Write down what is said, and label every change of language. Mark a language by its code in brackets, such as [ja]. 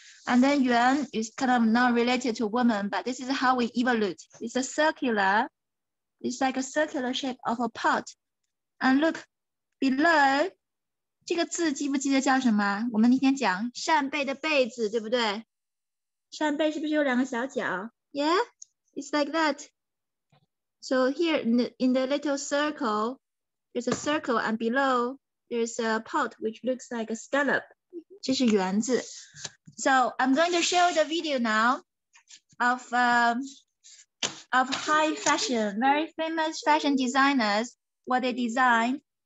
[en] And then yuan is kind of not related to woman, but this is how we evolute. It's a circular, it's like a circular shape of a pot. And look, below, [zh] 这个字记不记得叫什么? 我们那天讲扇贝的贝字,对不对?扇贝是不是有两个小角? [en] Yeah, it's like that. So here in the little circle, there's a circle and below there's a pot which looks like a scallop. [zh] Mm-hmm. 这是圆字. [en] So I'm going to show the video now of high fashion, very famous fashion designers, what they designed.